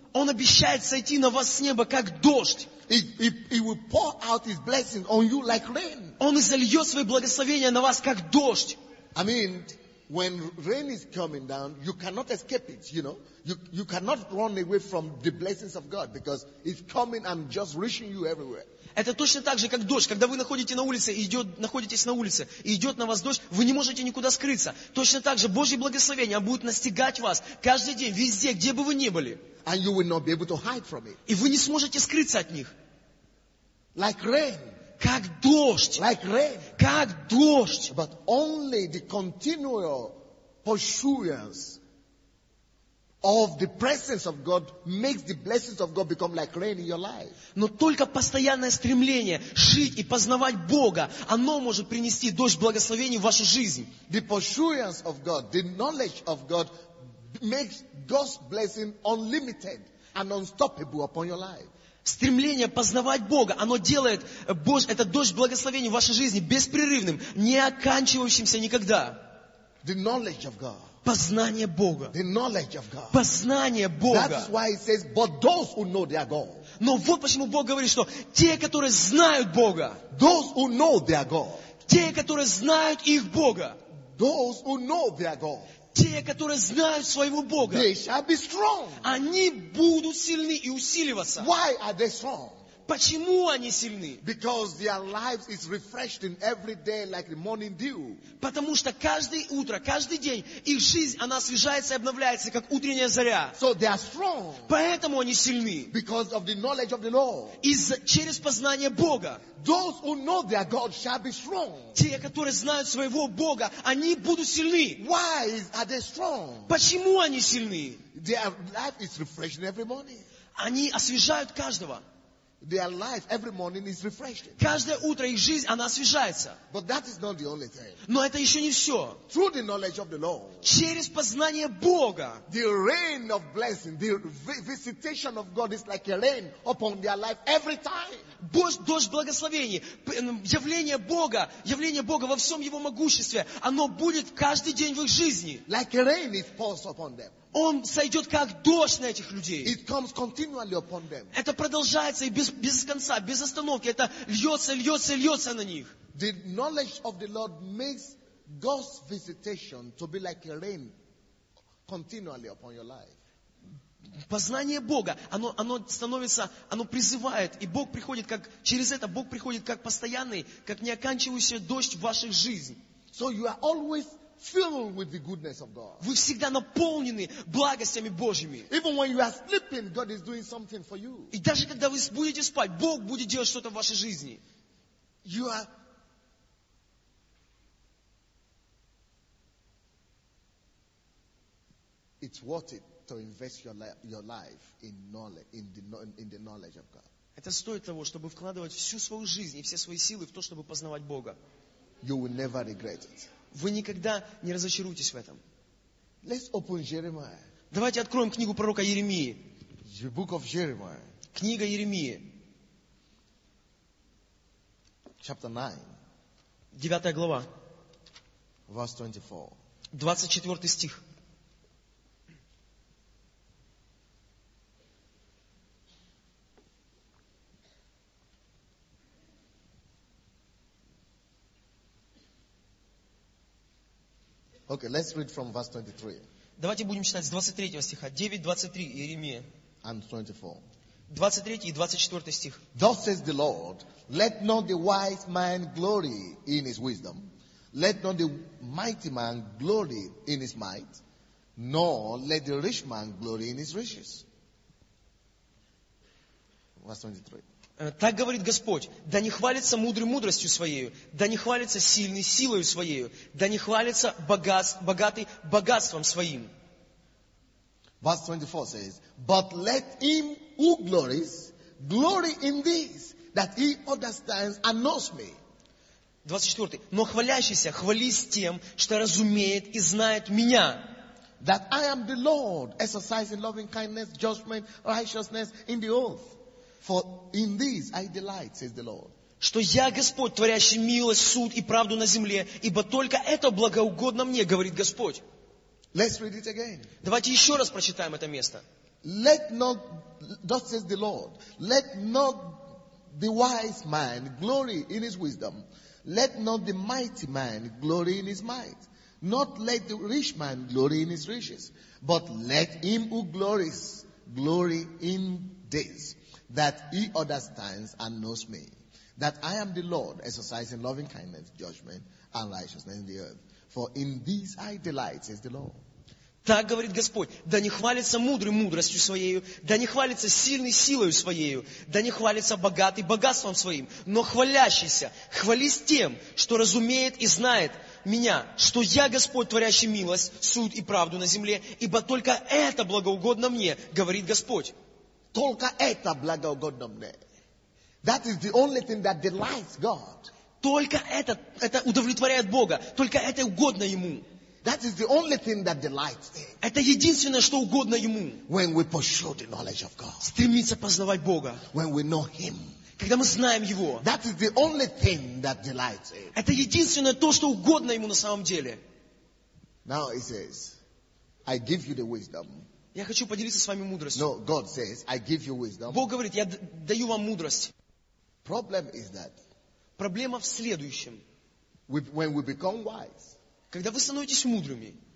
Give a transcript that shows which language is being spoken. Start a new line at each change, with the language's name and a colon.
Russian: Он обещает сойти на вас с неба как дождь.
English: He will pour out his blessing on you like rain.
Russian: Он изольет свои благословения на вас как дождь.
English: I mean, when rain is coming down, you cannot escape it. You know, you cannot run away from the blessings of God because it's coming and just reaching you everywhere.
Russian: Это точно так же, как дождь. Когда вы находитесь на улице, и идет на вас дождь, вы не можете никуда скрыться. Точно так же Божье благословение будет настигать вас каждый день, везде, где бы вы ни были.
English: And you will not be able to hide from it.
Russian: И вы не сможете скрыться от них.
English: Like rain.
Russian: Как дождь.
English: Like rain.
Russian: Как дождь.
English: But only the continual pursuance of the presence of God makes the blessings of God become like rain in your life.
Russian: Но только постоянное стремление жить и познавать Бога, оно может принести дождь благословений в вашу жизнь.
English: The pursuance of God, the knowledge of God makes God's blessing unlimited and unstoppable upon your life.
Russian: Стремление познавать Бога, оно делает этот дождь благословений в вашей жизни беспрерывным, не оканчивающимся никогда.
English: The knowledge of God.
Russian: Познание Бога.
English: The knowledge of God.
Russian: Познание Бога.
English: That's why it says, but those who know their God.
Russian: Но вот почему Бог говорит, что те, которые знают Бога.
English: Those who know their God.
Russian: Те, которые знают их Бога.
English: Those who know their God.
Russian: Те, которые знают своего Бога.
English: They shall be strong.
Russian: Они будут сильны и усиливаться.
English: Why are they strong?
Russian: Почему они сильны?
English: Because their lives is refreshed in every day like the morning dew.
Russian: Потому что каждое утро, каждый день их жизнь она освежается и обновляется как утренняя заря.
English: So they are strong.
Russian: Поэтому они сильны.
English: Because of the knowledge of the Lord.
Russian: Из-за через познание Бога.
English: Those who know their God shall be strong.
Russian: Те, которые знают своего Бога, они будут сильны.
English: Why are they strong?
Russian: Почему они сильны?
English: Their life is refreshed every morning.
Russian: Они освежают каждого.
English: Their life every morning is refreshing.
Russian: Каждое утро их жизнь она освежается.
English: But that is not the only thing.
Russian: Но это еще не все.
English: Through the knowledge of the Lord.
Russian: Через познание Бога.
English: The rain of blessing, the visitation of God is like a rain upon their life every time.
Russian: Дождь благословений, явление Бога во всем Его могуществе, оно будет каждый день в их жизни.
English: Like a rain is poured upon them.
Russian: Он сойдет как дождь на этих людей.
English: It comes continually upon them.
Russian: Это продолжается и без конца, без остановки. Это льется, льется, льется на них.
English: The knowledge of the Lord makes God's visitation to be like a rain continually upon your life.
Russian: Познание Бога, оно становится, оно призывает, и Бог приходит как через это Бог приходит как постоянный, как неоканчивающийся дождь в вашей жизни.
English: So you are always filled with the goodness of God.
Russian: Вы всегда наполнены благостями Божьими.
English: Even when you are sleeping, God is doing something for you.
Russian: И даже когда вы будете спать, Бог будет делать что-то в вашей жизни.
English: You are. It's worth it to invest your life in the knowledge of God.
Russian: Это стоит того, чтобы вкладывать всю свою жизнь и все свои силы в то, чтобы познавать Бога.
English: You will never regret it.
Russian: Вы никогда не разочаруетесь в этом.
English: Let's open Jeremiah.
Russian: Давайте откроем книгу пророка Иеремии.
English: The book of Jeremiah.
Russian: Книга Иеремии.
English: chapter 9,
Russian: 9 глава,
English: verse 24.
Russian: 24 стих.
English: Okay, let's read from verse 23.
Russian: Давайте будем читать с 23 стиха. 9:23 Иеремия.
English: And 24.
Russian: 23 и 24 стих.
English: Thus says the Lord, let not the wise man glory in his wisdom, let not the mighty man glory in his might, nor let the rich man glory in his riches. Verse 23.
Russian: Так говорит Господь, да не хвалится мудрый мудростью своей, да не хвалится сильный силою своей, да не хвалится богатый богатством своим.
English: Verse 24 says, but let him who glories, glory in this, that he understands and knows me.
Russian: 24. Но хвалящийся хвались тем, что разумеет и знает меня.
English: That I am the Lord, exercising loving kindness, judgment, righteousness in the earth. For in this I delight, says the Lord.
Russian: Что я Господь, творящий милость, суд и правду на земле, ибо только это благоугодно мне, говорит Господь.
English: Let's read it again.
Russian: Давайте еще раз прочитаем это место.
English: Let not, thus says the Lord, let not the wise man glory in his wisdom. Let not the mighty man glory in his might. Not let the rich man glory in his riches. But let him who glories glory in this, that he understands and knows me. That I am the Lord, exercising loving kindness, judgment, and righteousness in the earth. For in these I delight, says the Lord.
Russian: Так говорит Господь, да не хвалится мудрый мудростью своею, да не хвалится сильный силою своею, да не хвалится богатый богатством своим, но хвалящийся, хвались тем, что разумеет и знает меня, что я Господь, творящий милость, суд и правду на земле, ибо только это благоугодно мне, говорит Господь. Только это благоугодно мне.
English: That is the only thing that delights God.
Russian: Только это удовлетворяет Бога, только это угодно Ему.
English: That is the only thing that delights him.
Russian: Это единственное, что угодно ему.
English: When we pursue the knowledge of God.
Russian: Стремиться познавать Бога.
English: When we know him.
Russian: Когда мы знаем его.
English: That is the only thing that delights him.
Russian: Это единственное то, что угодно ему на самом деле.
English: Now he says, I give you the wisdom.
Russian: Я хочу поделиться с вами мудростью.
English: No, God says, I give you wisdom.
Russian: Бог говорит, я даю вам мудрость.
English: Problem is that.
Russian: Проблема в следующем.
English: When we become wise.
Russian: Когда вы становитесь мудрыми,